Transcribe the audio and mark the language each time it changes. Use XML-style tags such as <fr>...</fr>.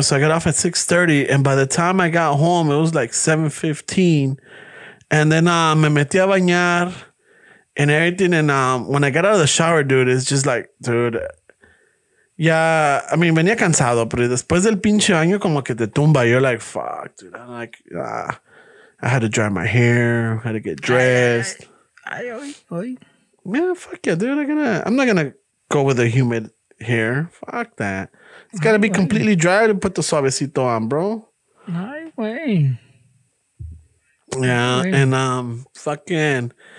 <en>So I got off at 6:30, and by the time I got home, it was like 7:15. And then</en> <es>me metí a bañar</es> <en>and everything. And when I got out of the shower, dude, it's just like, dude. Yeah, I mean,</en> <es>venía cansado, pero después del pinche baño como que te tumba.</es> <en>You're like, fuck, dude. I'm like, I had to dry my hair. I had to get dressed. Man, fuck yeah, dude. I'm not gonna go with the humid hair. Fuck that. It's gotta be completely dry to put the suavecito on, bro. And fucking.</en>